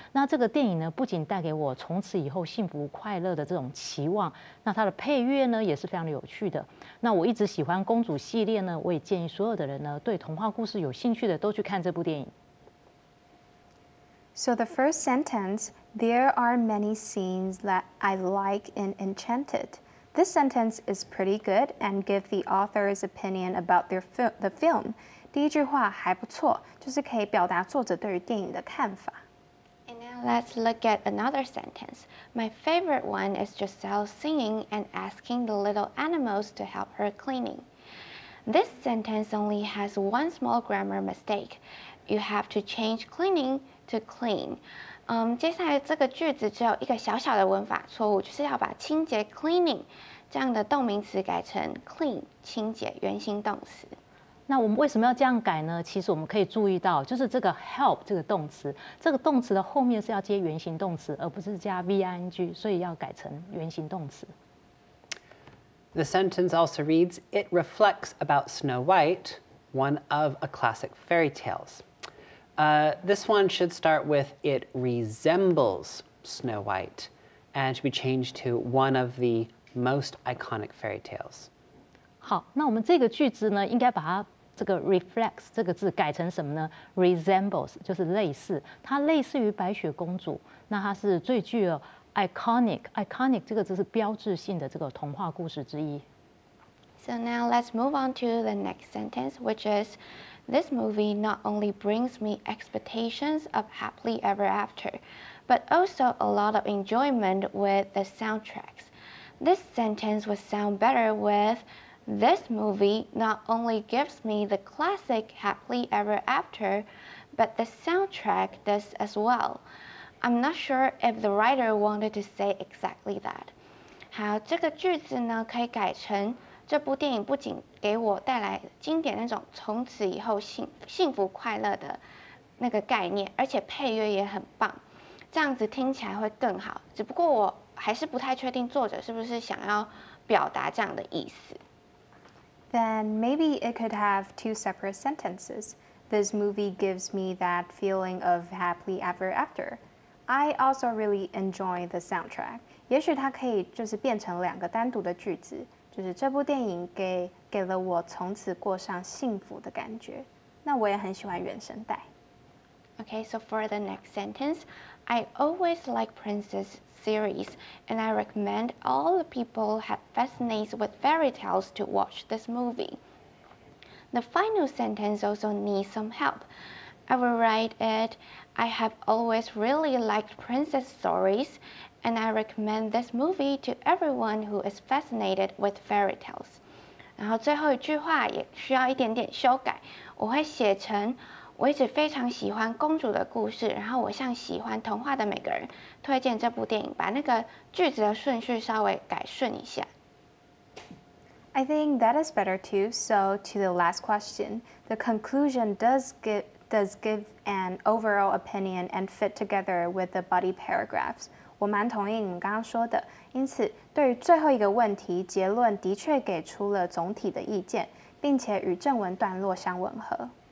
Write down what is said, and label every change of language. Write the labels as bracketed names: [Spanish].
[Chinese] 那这个电影呢，不仅带给我从此以后幸福快乐的这种期望，那它的配乐呢也是非常的有趣的。那我一直喜欢公主系列呢，我也建议所有的人呢，对童话故事有兴趣的都去看这部电影。 [English] So the first sentence, there are many scenes that I like in Enchanted. This sentence is pretty good and give the author's opinion about the film. [Chinese] 第一句话还不错，就是可以表达作者对于电影的看法。 [English] And now let's look at another sentence. My favorite one is Giselle singing and asking the little animals to help her cleaning. This sentence only has one small grammar mistake. You have to change cleaning to clean. [Chinese] 接下来这个句子只有一个小小的文法错误，就是要把清洁 cleaning 这样的动名词改成 clean 清洁原形动词。那我们为什么要这样改呢？其实我们可以注意到，就是这个 help 这个动词，这个动词的后面是要接原形动词，而不是加 ving， 所以要改成原形动词。 [English] The sentence also reads, "It reflects about Snow White, one of a classic fairy tales." This one should start with "It resembles Snow White," and should be changed to "one of the most iconic fairy tales." [Chinese] 好，那我们这个句子呢，应该把它这个 reflects 这个字改成什么呢？ Resembles 就是类似，它类似于白雪公主，那它是最具有 iconic 这个字是标志性的这个童话故事之一。 [English] So now let's move on to the next sentence, which is, this movie not only brings me expectations of happily ever after, but also a lot of enjoyment with the soundtracks. This sentence would sound better with,This movie not only gives me the classic Happily Ever After, but the soundtrack does as well. I'm not sure if the writer wanted to say exactly that. [Chinese] 好，这个句子呢可以改成，这部电影不仅给我带来经典那种从此以后幸福快乐的那个概念，而且配乐也很棒，这样子听起来会更好。只不过我还是不太确定作者是不是想要表达这样的意思。 [English] Then maybe it could have two separate sentences. This movie gives me that feeling of happily ever after. I also really enjoy the soundtrack. [Chinese] 也许它可以就是变成两个单独的句子，就是这部电影给了我从此过上幸福的感觉。那我也很喜欢原声带。 [English] Okay, so for the next sentence, I always like Princess series, and I recommend all the people have fascinated with fairy tales to watch this movie. The final sentence also needs some help. I will write it, I have always really liked princess stories, and I recommend this movie to everyone who is fascinated with fairy tales. [Chinese] 然后最后一句话也需要一点点修改，我会写成我一直非常喜欢公主的故事，然后我向喜欢童话的每个人推荐这部电影，把那个句子的顺序稍微改顺一下。 [English] I think that is better too. So to the last question, the conclusion does give an overall opinion and fit together with the body paragraphs. [Chinese] 我蛮同意你刚刚说的，因此对于最后一个问题，结论的确给出了总体的意见，并且与正文段落相吻合。